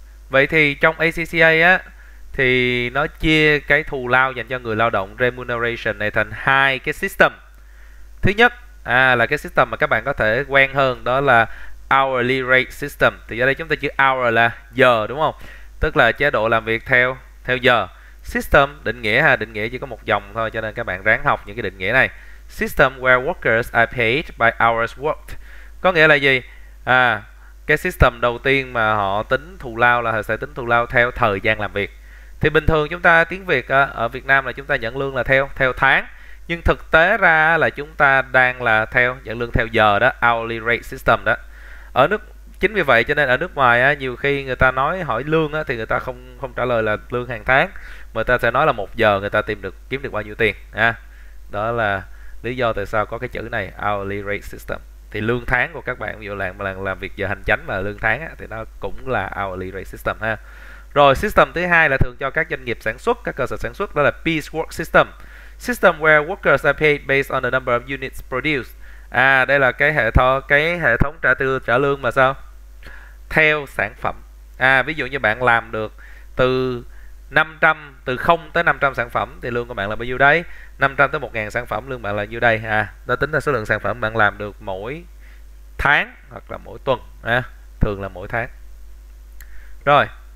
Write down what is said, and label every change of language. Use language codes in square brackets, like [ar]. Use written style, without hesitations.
[vi] Vậy thì trong ACCA á thì nó chia cái thù lao dành cho người lao động remuneration này thành hai cái system. Thứ nhất là cái system mà các bạn có thể quen hơn, đó là hourly rate system. Thì ở đây chúng ta chữ hour là giờ đúng không? Tức là chế độ làm việc theo theo giờ. System định nghĩa ha, định nghĩa chỉ có một dòng thôi cho nên các bạn ráng học những cái định nghĩa này. [en] System where workers are paid by hours worked. [vi] Có nghĩa là gì? Cái system đầu tiên mà họ tính thù lao là họ sẽ tính thù lao theo thời gian làm việc. Thì bình thường chúng ta tiếng Việt ở Việt Nam là chúng ta nhận lương là theo theo tháng. Nhưng thực tế ra là chúng ta đang là theo nhận lương theo giờ đó, hourly rate system đó. Ở nước Chính vì vậy cho nên ở nước ngoài á, nhiều khi người ta nói hỏi lương á, thì người ta không không trả lời là lương hàng tháng, mà ta sẽ nói là một giờ người ta tìm được kiếm được bao nhiêu tiền ha. Đó là lý do tại sao có cái chữ này hourly rate system. Thì lương tháng của các bạn ví dụ làm việc giờ hành chánh và lương tháng á, thì nó cũng là hourly rate system ha. Rồi system thứ hai là thường cho các doanh nghiệp sản xuất, các cơ sở sản xuất, đó là piece work system. [en] System where workers are paid based on the number of units produced. [vi] Đây là cái hệ thống trả lương mà sao? Theo sản phẩm. Ví dụ như bạn làm được từ 0 tới 500 sản phẩm thì lương của bạn là bao nhiêu đây? 500 tới 1000 sản phẩm lương bạn là nhiêu đây? Nó tính ra số lượng sản phẩm bạn làm được mỗi tháng hoặc là mỗi tuần thường là mỗi tháng. Rồi.